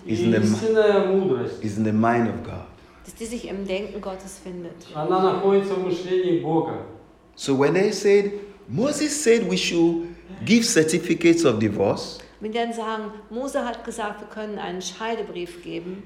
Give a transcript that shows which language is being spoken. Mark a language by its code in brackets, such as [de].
[en] is, in the is in the mind of God. [de] Dass die sich im Denken Gottes findet. [ru] Она находится в мышлении Бога. [en] So when they said, Moses said we should give certificates of divorce. [de] Wenn die dann sagen, Mose hat gesagt, wir können einen Scheidebrief geben.